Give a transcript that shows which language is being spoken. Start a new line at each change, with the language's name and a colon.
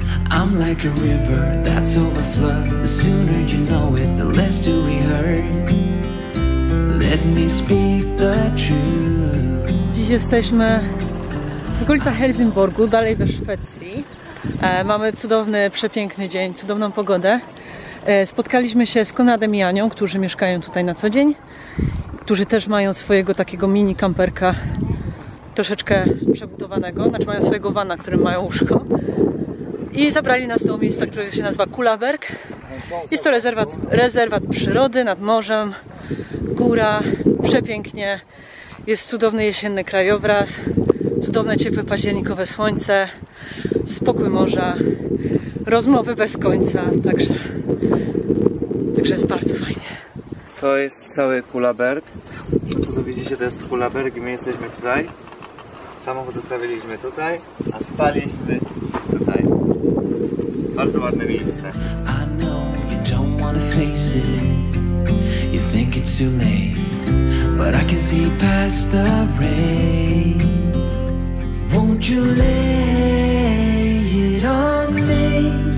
English: I'm like a river that's overflowed. The sooner you know it, the less do we hurt. Let me speak the truth.
Polish: Dziś jesteśmy w okolicach Helsingborgu, dalej we Szwecji. Mamy cudowny, przepiękny dzień, cudowną pogodę. Spotkaliśmy się z Konradem i Anią, którzy mieszkają tutaj na co dzień, którzy też mają swojego takiego mini kamperka, troszeczkę przebudowanego, znaczy mają swojego vana, którym mają łóżko. I zabrali nas do miejsca, które się nazywa Kulaberg. Jest to rezerwat przyrody nad morzem, góra, przepięknie. Jest cudowny jesienny krajobraz, cudowne ciepłe październikowe słońce, spokój morza, rozmowy bez końca, także jest bardzo fajnie. To jest cały Kulaberg. Co tu widzicie, to jest Kulaberg i my jesteśmy tutaj. Samochód zostawiliśmy tutaj, a spaliśmy tutaj. Bardzo ładne miejsce.
English: I know you don't wanna face it. You think it's too late, but I can see past the rain. Won't you lay it on me?